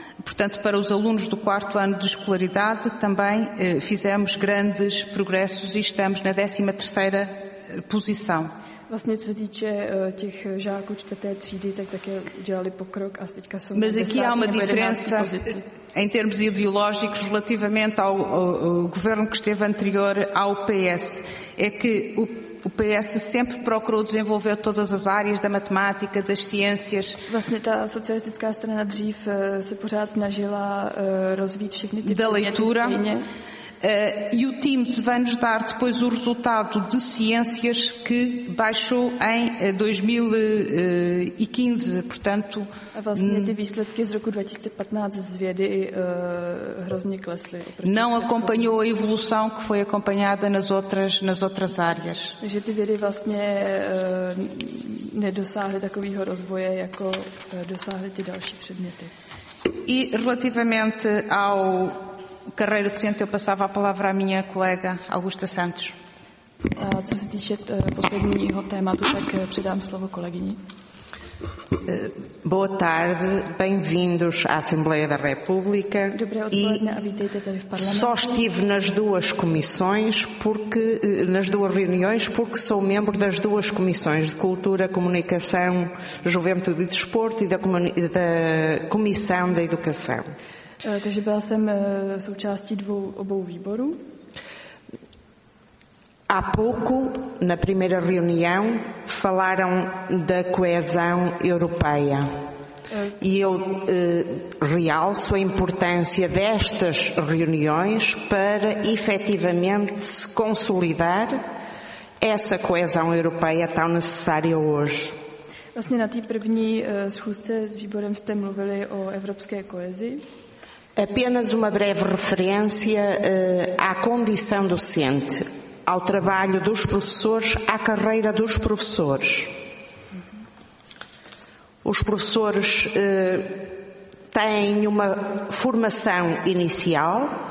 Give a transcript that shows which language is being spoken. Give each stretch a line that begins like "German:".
Portuguese: Portanto, para os alunos do quarto ano de escolaridade, também fizemos grandes progressos e estamos na 13ª posição.
Czech: Vlastně, co se týče těch žáků čtvrté třídy, tak také udělali pokrok a teďka jsou
Portuguese: Mas aqui há uma diferença em termos ideológicos relativamente ao governo que esteve anterior ao PS. É que o PS sempre procurou desenvolver todas as áreas da matemática, das ciências.
Czech: Vlastně ta socialistická strana dřív se pořád snažila rozvít všechny ty
Portuguese: da leitura. E o Teams vai-nos dar depois o resultado de ciências que baixou em 2015, portanto...
Czech: A vlastně ty výsledky z roku 2015 z vědy hrozně klesly.
Portuguese: Não acompanhou a evolução que foi acompanhada nas outras áreas.
Czech: Takže ty vědy vlastně nedosáhly takového rozvoje, jako dosáhly ty další předměty.
Portuguese: E relativamente ao... carreira docente, eu passava a palavra à minha colega Augusta Santos.
Czech: Co se týče posledního tématu, tak předám slovo kolegyni.
Portuguese: Boa tarde, bem-vindos à Assembleia da República.
Czech: Dobré odpoledne a vítejte tady v parlamentu.
Portuguese: Só estive nas duas comissões, porque nas duas reuniões, porque sou membro das duas comissões de Cultura, Comunicação, Juventude e Desporto e da Comissão da Educação.
Czech: Takže byla jsem součástí obou výborů.
Portuguese: Há pouco, na primeira reunião, falaram da coesão europeia. E eu realço a importância destas reuniões para efetivamente se consolidar essa coesão europeia tão necessária hoje.
Czech: Vlastně na té první schůzce s výborem jste mluvili o evropské koezi.
Portuguese: Apenas uma breve referência à condição docente, ao trabalho dos professores, à carreira dos professores. Os professores têm uma formação inicial.